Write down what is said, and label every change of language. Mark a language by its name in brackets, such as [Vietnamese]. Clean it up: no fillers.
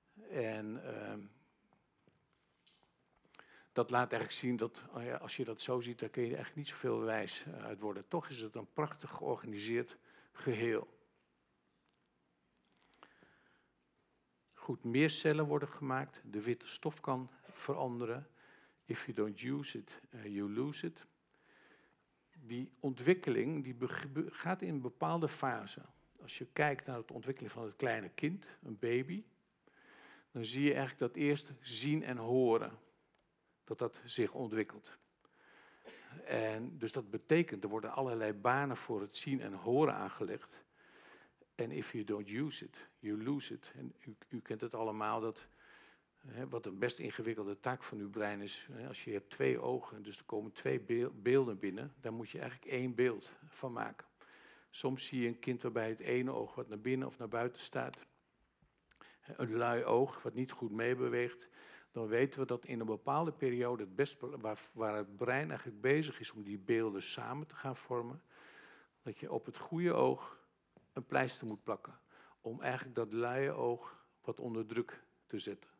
[Dutch] En dat laat eigenlijk zien dat als je dat zo ziet, dan kun je er echt niet zoveel wijs uit worden. Toch is het een prachtig georganiseerd geheel. Goed, meer cellen worden gemaakt. De witte stof kan veranderen. [English] If you don't use it, you lose it. [Dutch] Die ontwikkeling die gaat in bepaalde fasen. Als je kijkt naar de ontwikkeling van het kleine kind, een baby, dan zie je eigenlijk dat eerst zien en horen, dat zich ontwikkelt. En dus dat betekent, er worden allerlei banen voor het zien en horen aangelegd. [English] En if you don't use it, you lose it. [Dutch] En u kent het allemaal, wat een best ingewikkelde taak van uw brein is. Als je hebt twee ogen, dus er komen twee beelden binnen, dan moet je eigenlijk één beeld van maken. Soms zie je een kind waarbij het ene oog wat naar binnen of naar buiten staat, een lui oog wat niet goed meebeweegt, dan weten we dat in een bepaalde periode het best, waar het brein eigenlijk bezig is om die beelden samen te gaan vormen, dat je op het goede oog een pleister moet plakken om eigenlijk dat luie oog wat onder druk te zetten.